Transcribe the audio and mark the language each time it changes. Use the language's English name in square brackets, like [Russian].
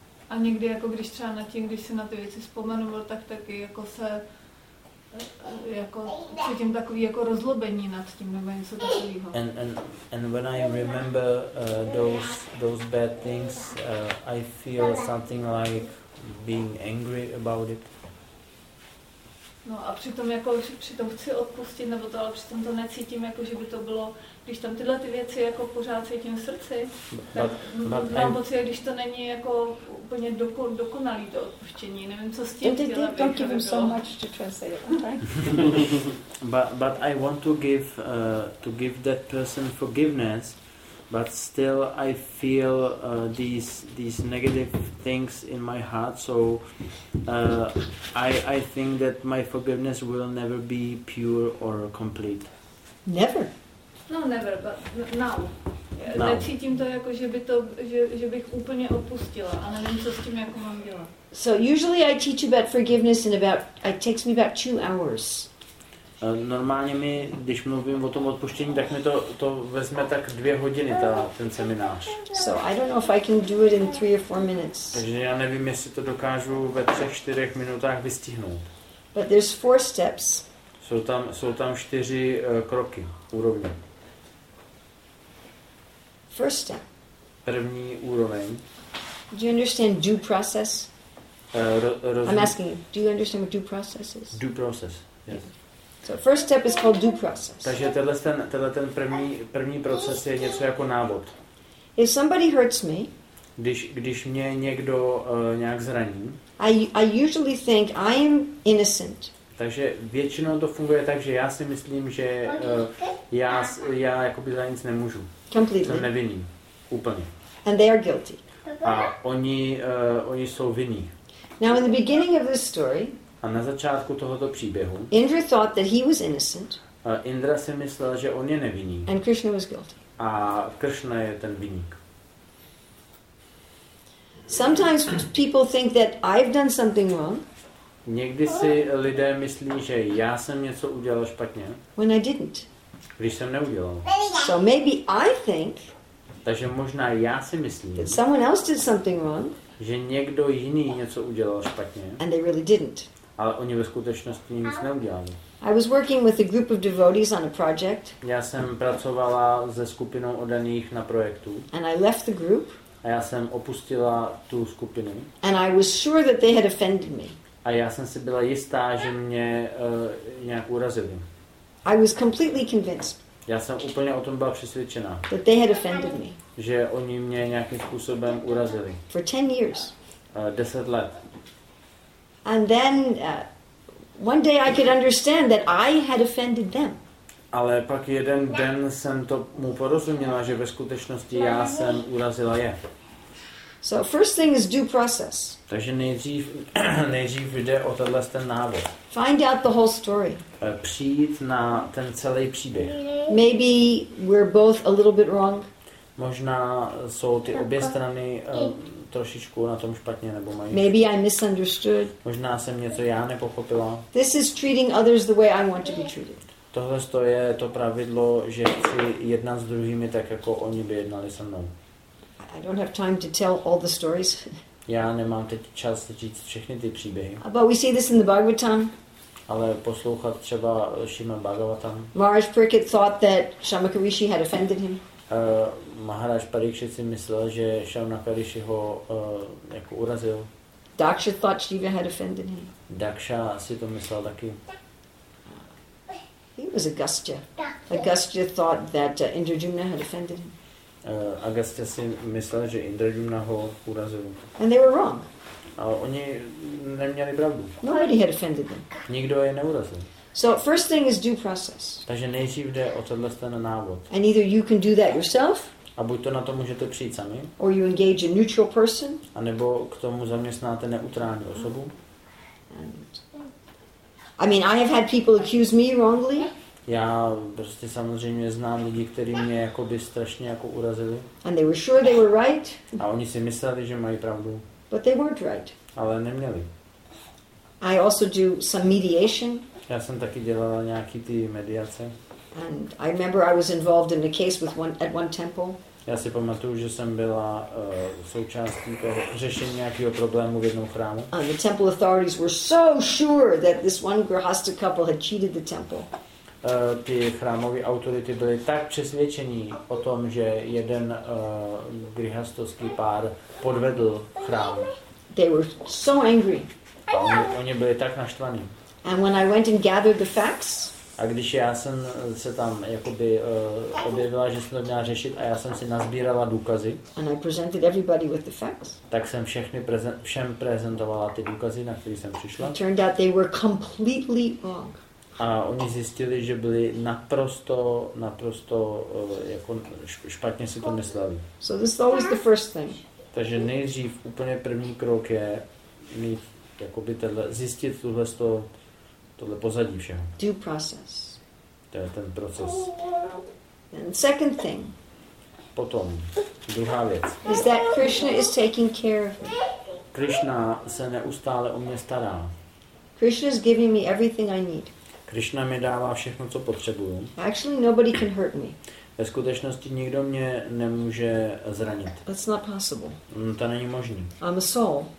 [Czech] A někdy, jako když třeba na tím, když si na ty věci vzpomenu, taky jako se... jako cítím takový jako rozlobení nad tím nebo něco takového. [English] And when I remember those bad things, I feel something like being angry about it. [Czech] No a přitom jako přitom chci odpustit nebo to, ale přitom to necítím jako že by to bylo, když tam tyhle ty věci jako pořád cítím v srdci, tak mám pocit, když to není jako úplně dokonalý to odpuštění, nevím co s tím. [English] Don't give him so much to translate it, okay? but I want to give that person forgiveness, but still I feel these negative things in my heart, so I think that my forgiveness will never be pure or complete. Never. No, never, but now. [Czech] Necítím to jako, že bych úplně opustila, ale nevím, co s tím jako mám dělat. [English] So usually I teach about forgiveness in about, it takes me about 2 hours. [Czech] Normálně mi, když mluvím o tom odpuštění, tak mi to vezme tak 2 hodiny, ten seminář. [English] So I don't know if I can do it in 3 or 4 minutes. [Czech] Takže já nevím, jestli to dokážu ve 3-4 minutách vystihnout. [English] But there's 4 steps. [Czech] Jsou tam 4 kroky, úrovně. [English] First step. [Czech] První úroveň. [English] Do you understand due process? [Czech] Rozumím. [English] I'm asking you, do you understand what due process is? Due process, yes. So first step is called due process. [Czech] Takže tenhle ten první proces je něco jako návod. [English] If somebody hurts me, [Czech] když mě někdo nějak zraní, [English] I usually think I am innocent. [Czech] Takže většinou to funguje tak, že já si myslím, že já jakoby za nic nemůžu. [English] Completely. [Czech] Jsem nevinný. Úplně. [English] And they are guilty. [Czech] A oni jsou vinní. [English] Now in the beginning of this story, [Czech] a na začátku tohoto příběhu [English] Indra thought that he was innocent. [Czech] Indra si myslel, že on je nevinný. [English] And Krishna was guilty. [Czech] A Krishna je ten viník. [English] Sometimes people think that I've done something wrong. [Czech] Někdy si lidé myslí, že já jsem něco udělal špatně. [English] When I didn't. [Czech] Když jsem neudělal. [English] So maybe I think. [Czech] Takže možná já si myslím. [English] That someone else did something wrong. [Czech] Že někdo jiný něco udělal špatně. [English] And they really didn't. [Czech] Ale oni ve skutečnosti nic neudělali. [English] I was working with a group of devotees on a project. [Czech] Já jsem pracovala se skupinou oddaných na projektu. [English] And I left the group. [Czech] A já jsem opustila tu skupinu. [English] And I was sure that they had offended me. [Czech] A já jsem si byla jistá, že mě nějak urazili. [English] I was completely convinced. [Czech] Já jsem úplně o tom byla přesvědčená. [English] That they had offended me. [Czech] Že oni mě nějakým způsobem urazili. [English] For 10 years. [Czech] 10 let. [English] And then One day I could understand that I had offended them. [Czech] Ale pak jeden den jsem to mu porozuměla, že ve skutečnosti já jsem urazila je. [English] So first thing is due process. [Czech] Takže nejdřív jde o tenhle ten návod. [English] Find out the whole story. [Czech] Přijít na ten celý příběh. [English] Maybe we're both a little bit wrong. [Czech] Možná jsou ty obě strany trošičku na tom špatně nebo mají. [English] Maybe I misunderstood. [Czech] Možná jsem něco já nepochopila. [English] This is treating others the way I want to be treated. [Czech] Tohle je to pravidlo, že chci jednat s druhými tak, jako oni by jednali se mnou. [English] I don't have time to tell all the stories. [Czech] Já nemám teď čas říct všechny ty příběhy. [English] But we see this in the Bhagavatam. [Czech] Ale poslouchat třeba Srimad Bhagavatam. [English] Maharaj Parikshit thought that Shamaka Rishi had offended him. [Czech] Maharaj Parikshit si myslel, že Shamaka Rishi ho jako urazil. [English] Daksha thought Shiva had offended him. [Czech] Daksha si to myslel taky. [English] He was Agastya. Agastya thought that Indrajumna had offended him. [Czech] Agastya si myslel, že Indrajumna ho urazil. [English] And they were wrong. [Czech] A oni neměli pravdu. [English] Nobody had offended them. [Czech] Nikdo je neurazil. [English] So first thing is due process. [Czech] Takže nejdřív jde o tenhle ten návod. [English] And either you can do that yourself. [Czech] A buď to na to můžete přijít sami. [English] Or you engage a neutral person. [Czech] A nebo k tomu zaměstnáte neutrální osobu. [English] I mean, I have had people accuse me wrongly. [Czech] Já prostě samozřejmě znám lidi, kteří mě jakoby strašně jako urazili. [English] And they were sure they were right. [Czech] A oni si mysleli, že mají pravdu. [English] But they weren't right. [Czech] Ale neměli. [English] I also do some mediation. [Czech] Já jsem taky dělala nějaký ty mediace. [English] And I remember I was involved in a case with one at one temple. [Czech] Já si pamatuju, že jsem byla součástí toho řešení nějakého problému v jednom chrámu. [English] And the temple authorities were so sure that this one grihastha couple had cheated the temple. [Czech] Ty chrámové autority byly tak přesvědčení o tom, že jeden grihasthovský pár podvedl chrám. [English] They were so angry. [Czech] Oni byli tak naštvaní. [English] And when I went and gathered the facts. [Czech] A když já jsem se tam jakoby objevila, že jsem to měla řešit a já jsem si nazbírala důkazy. [English] And I presented everybody with the facts. [Czech] Tak jsem všem prezentovala ty důkazy, na které jsem přišla. [English] It turned out they were completely wrong. [Czech] A oni zjistili, že byli naprosto jako špatně si to mysleli. [English] So this is always the first thing. [Czech] Takže nejdřív úplně první krok je mít jakoby zjistit tohle pozadí všeho. [English] Due process. [Czech] To je ten proces. [English] And second thing. [Czech] Potom druhá věc. [English] Is that Krishna is taking care of me. [Czech] Krishna se neustále o mě stará. [English] Krishna is giving me everything I need. [Czech] Krishna mi dává všechno, co potřebuju. [English] Actually, nobody can hurt me. [Czech] Ve skutečnosti nikdo mě nemůže zranit. [English] That's not possible. [Czech] To není možný. [English] I'm a soul.